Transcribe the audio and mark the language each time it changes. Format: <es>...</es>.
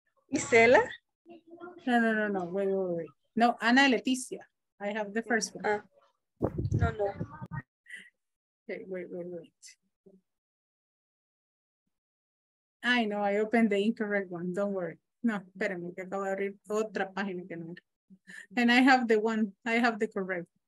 <en>Isela? No. Wait. No, Ana Leticia. I have the first one. No. Okay, wait. I know, I opened the incorrect one. Don't worry.</en> <es>No, espérame, que acabo de abrir otra página que no.</es> <en>And I have the one, I have the correct.</en>